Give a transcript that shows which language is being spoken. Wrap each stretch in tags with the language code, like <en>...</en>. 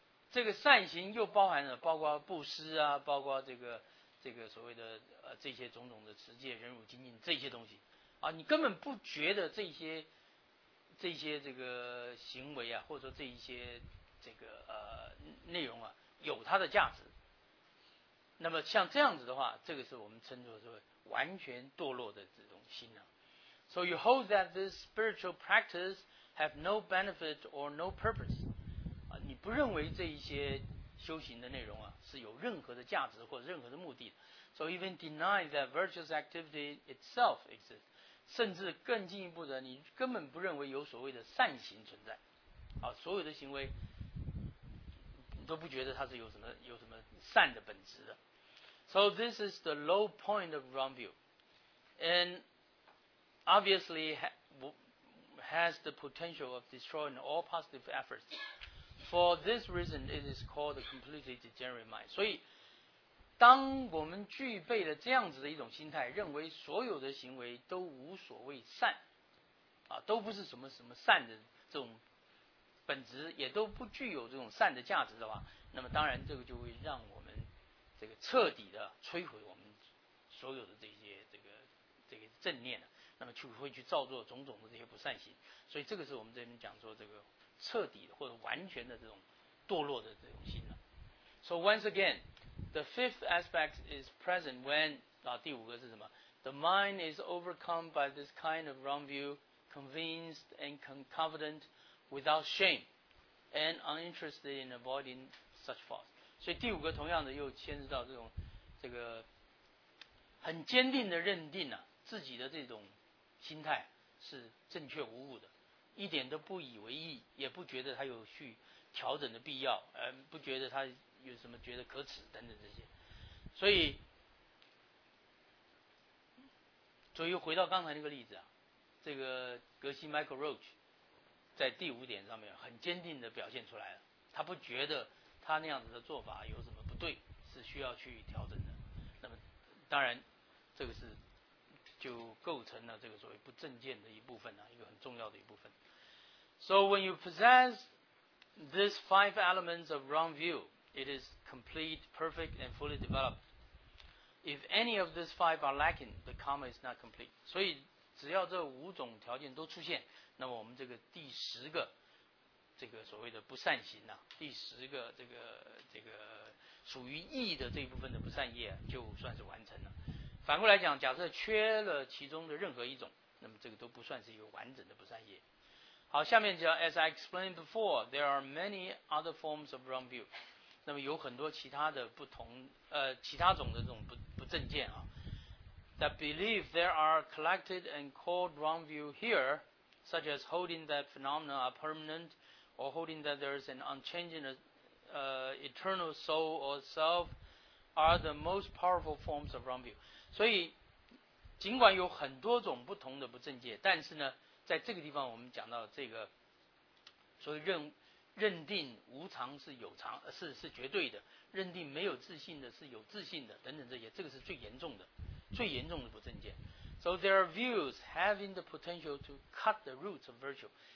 <zh>这个善行又包含了包括布施啊，包括这个所谓的这些种种的持戒、忍辱、精进这些东西啊，你根本不觉得这些这个行为啊，或者说这一些这个内容啊，有它的价值。那么像这样子的话，这个是我们称作说完全堕落的这种心呢、啊。</zh> <en>So you hold that this spiritual practice have no benefit or no purpose.</en> <zh>啊，你不认为这一些修行的内容啊是有任何的价值或者任何的目的的。</zh> <en>So even deny that virtuous activity itself exists.</en> <zh>甚至更进一步的，你根本不认为有所谓的善行存在。啊，所有的行为你都不觉得它是有什么善的本质的。</zh> <en>So this is the low point of wrong view. And obviously has the potential of destroying all positive efforts. For this reason, it is called a completely degenerate mind.</en> <zh>所以当我们具备了这样子的一种心态，认为所有的行为都无所谓善啊，都不是什么什么善的这种本质，也都不具有这种善的价值的话，那么当然这个就会让我们这个彻底的摧毁我们所有的这些这个正念了，那么就会去造作种种的这些不善行，所以这个是我们这边讲说这个彻底的或者完全的这种堕落的这种心了。</zh> <en>So once again, the fifth aspect is present when</en> <zh>啊第五个是什么</zh> <en>？The mind is overcome by this kind of wrong view, convinced and confident, without shame, and uninterested in avoiding such faults.</en> <zh>所以第五个同样的又牵涉到这种这个很坚定的认定了、啊。自己的这种心态是正确无误的，一点都不以为意，也不觉得他有去调整的必要，不觉得他有什么觉得可耻等等这些。所以又回到刚才那个例子啊，这个格西 Michael Roach 在第五点上面很坚定的表现出来了，他不觉得他那样子的做法有什么不对，是需要去调整的。那么当然这个是就构成了这个所谓不正见的一部分、啊、一个很重要的一部分。</zh> <en>So when you possess these five elements of wrong view, it is complete, perfect, and fully developed. If any of these five are lacking, the karma is not complete.</en> <zh>所以只要这五种条件都出现，那么我们这个第十个这个所谓的不善行、啊、第十个这个属于义的这一部分的不善业、啊、就算是完成了。反过来讲，假设缺了其中的任何一种，那么这个都不算是一个完整的不善业。好，下面讲</zh> <en>As I explained before, there are many other forms of wrong view.</en> <zh>那么有很多其他的不同其他种的这种不正见啊。</zh> <en>That believe there are collected and called wrong view here, such as holding that phenomena are permanent, or holding that there is an unchanging eternal soul or self, are the most powerful forms of wrong view.</en> <zh>所以尽管有很多种不同的不正见，但是呢在这个地方我们讲到这个所谓认定无常是有常是绝对的，认定没有自信的是有自信的等等，这些这个是最严重的不正见。</zh> <en>So there are views having the potential to cut the roots of virtue.</en>